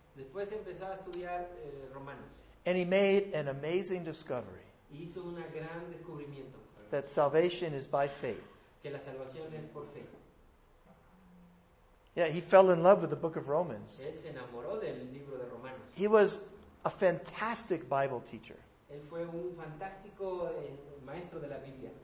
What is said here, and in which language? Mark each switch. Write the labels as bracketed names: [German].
[Spanish] Después empezó a estudiar, Romanos. [English] And he made an amazing discovery. [Spanish] Hizo una gran descubrimiento. [English] That salvation is by faith. [Spanish] Que la salvación es por fe. [English] Yeah, he fell in love with the book of Romans. [Spanish] Él se enamoró del libro de Romanos. [English] He was a fantastic Bible teacher. [Spanish] Él fue un fantástico maestro de la Biblia.